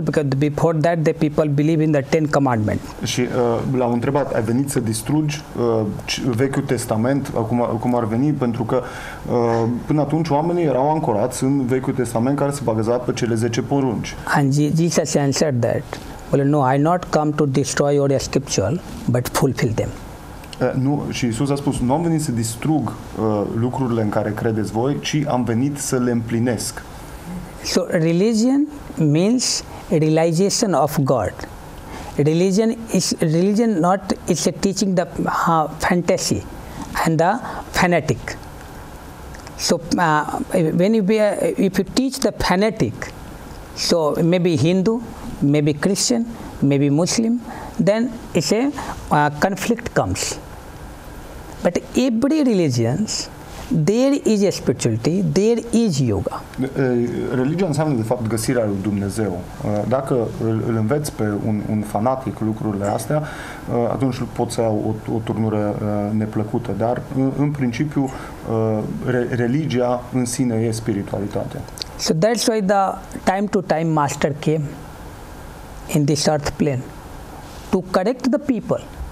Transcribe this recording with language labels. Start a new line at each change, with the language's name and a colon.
English: Because before that, the people believe in the Ten Commandments.
Romanian: Și l-au întrebat, ai venit să distrugi Vechiul Testament? Cum ar veni? Pentru că până atunci oamenii erau ancorați în Vechiul Testament care se baza pe cele 10 porunci.
English: And Jesus answered that, well, no, I not come to destroy your scripture, but fulfill them.
Romanian: Nu, și Iisus a spus, nu am venit să distrug lucrurile în care credeți voi, ci am venit să le împlinesc.
English: So, religion means realization of God. Religion is not teaching the fantasy and the fanatic. So, if you teach the fanatic, so maybe Hindu, maybe Christian, maybe Muslim, then it's a conflict comes. But every religion, there is a spirituality, there is yoga.
Romanian: Religia înseamnă, de fapt, găsirea lui Dumnezeu. Dacă îl înveți pe un fanatic lucrurile astea, atunci poți să ai o turnură neplăcută. Dar, în principiu, religia în sine e spiritualitate.
English: So that's why the time to time master came in this earth plane to correct the people.